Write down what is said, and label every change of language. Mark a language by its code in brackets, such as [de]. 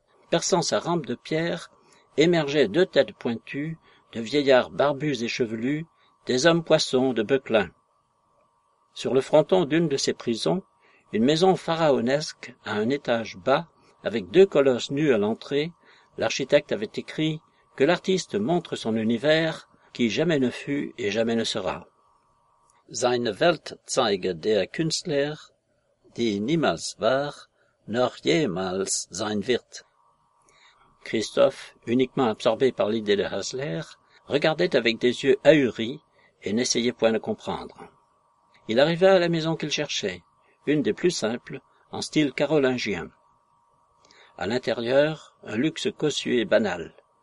[fr] Perçant sa rampe de pierre, émergeaient deux têtes pointues, de vieillards barbus et chevelus, des hommes poissons de Bechlin. Sur le fronton d'une de ces prisons, une maison pharaonesque à un étage bas, avec deux colosses nus à l'entrée, l'architecte avait écrit que l'artiste montre son univers qui jamais ne fut et jamais ne sera. [de] Seine Welt zeige der Künstler, die niemals war, noch jemals sein wird. [fr] Christophe, uniquement absorbé par l'idée de Hassler, regardait avec des yeux ahuris et n'essayait point de comprendre. Il arriva à la maison qu'il cherchait, une des plus simples, en style carolingien. À l'intérieur, un luxe cossu et banal.